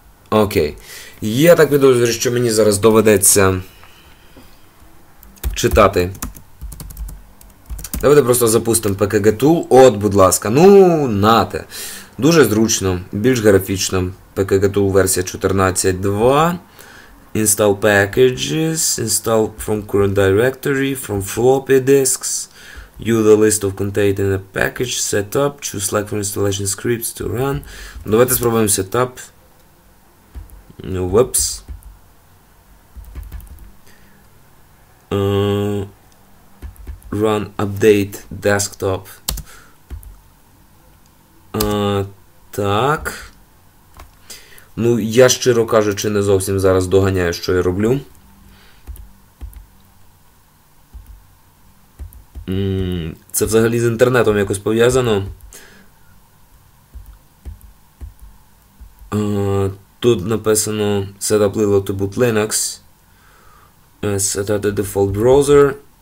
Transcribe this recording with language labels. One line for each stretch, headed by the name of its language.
Ukrainian: Окей. Я так підозрюю, що мені зараз доведеться читати. Давайте просто запустимо pkg2. От, будь ласка. Ну, нате. Дуже зручно, більш графічно. pkg2 версія 14.2.
English: Install packages, install from current directory, from floppy disks, use the list of contained in a package, setup, choose Slack for installation scripts to run.
Ukrainian: Давайте спробуємо setup. Whoops.
English: Run update desktop.
Ukrainian: Так. Ну, я, щиро кажучи, не зовсім зараз доганяю, що я роблю. Це взагалі з інтернетом якось пов'язано. Тут написано
English: setup lilo to boot Linux. Set the default browser.